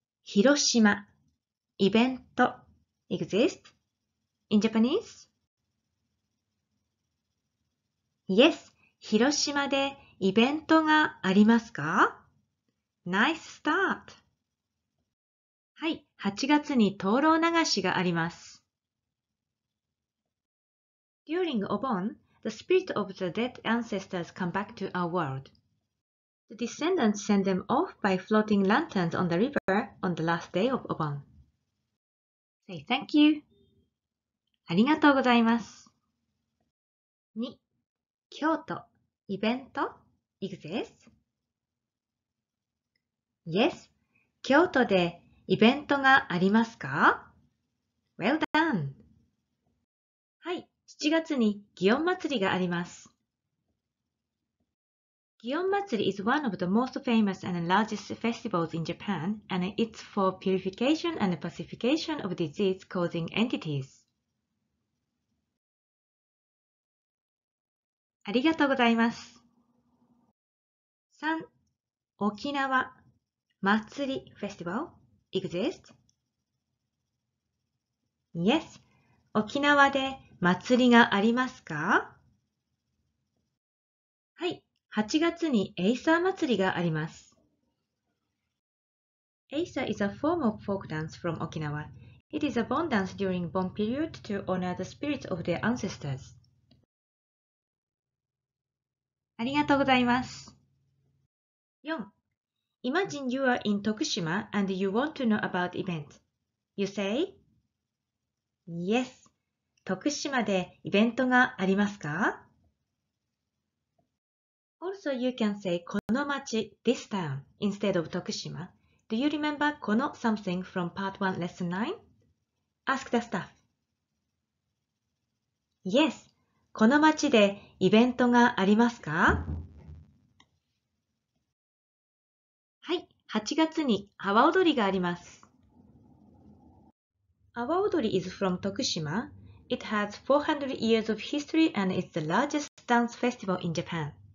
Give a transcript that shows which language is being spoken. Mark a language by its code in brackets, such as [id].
[en] 広島 Event exist in Japanese? [ja] Yes, 広島でイベントがありますか? [en] Nice start! [ja] はい、8月に灯籠流しがあります。 [en] During Obon, the spirit of the dead ancestors come back to our world. The descendants send them off by floating lanterns on the river on the last day of Obon. Say thank you! [ja] ありがとうございます。 [en] 2. 京都、イベント、exists? [ja] Yes, 京都でイベントがありますか? [en] Well done! [ja] はい、7月に祇園祭りがあります。 [en] 祇園祭り is one of the most famous and largest festivals in Japan, and it's for purification and pacification of disease-causing entities. [ja] ありがとうございます。 3. 沖縄祭りフェスティバル [en] exist? [ja] Yes, 沖縄で祭りがありますか? はい、8月にエイサー祭りがあります。 [en] エイサー is a form of folk dance from Okinawa. It is a bon dance during bon period to honor the spirits of their ancestors. [ja] ありがとうございます。 4. [en] Imagine you are in Tokushima and you want to know about event. You say? Yes. [ja] 徳島でイベントがありますか? [en] Also, you can say [ja] この町 [en] this town, instead of 徳島. Do you remember この something from Part 1 Lesson 9? Ask the staff. Yes. [ja] この町でイベントがありますか? はい、8月に阿波踊りがあります。 [en] 阿波踊り is from Tokushima. It has 400 years of history and is the largest dance festival in Japan.